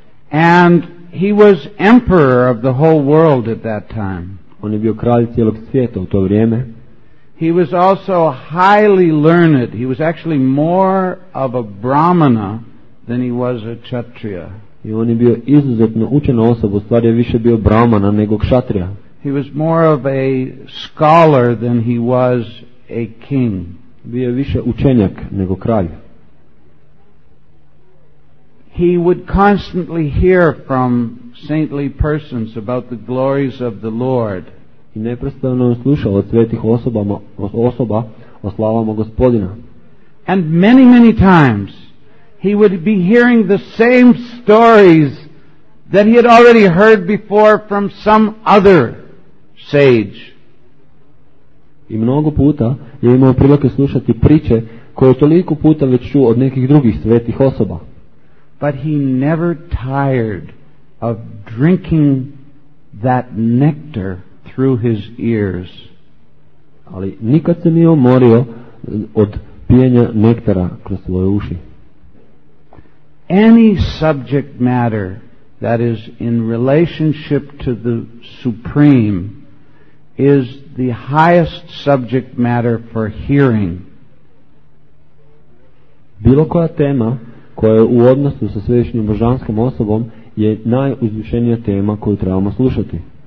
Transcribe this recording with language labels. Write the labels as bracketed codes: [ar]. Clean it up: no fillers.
[en] And he was emperor of the whole world at that time. [hr] On je bio kralj cijelog svijeta u to vrijeme. [en] He was also highly learned. He was actually more of a brahmana than he was a kshatriya. [hr] I on je bio izuzetno učena osoba, u stvari je više bio brahmana nego kšatrija. [en] He was more of a scholar than he was a king. [hr] Bio više učenjak nego kralj. [en] He would constantly hear from saintly persons about the glories of the Lord. [hr] I neprestano je slušao od svetih osoba o slavama Gospodina. [en] And many, many times he would be hearing the same stories that he had already heard before from some other sage. [hr] I mnogo puta je imao prilike slušati priče koje toliko puta već čuo od nekih drugih svetih osoba. [en] But he never tired of drinking that nectar through his ears. [hr] Ali nikad se nije umorio od pijenja nektara kroz svoje uši. [en] Any subject matter that is in relationship to the Supreme is the highest subject matter for hearing. [hr] Bilo koja tema koja je u odnosu sa svešnjom božanskom osobom je najuzvišenija tema koju trebamo slušati.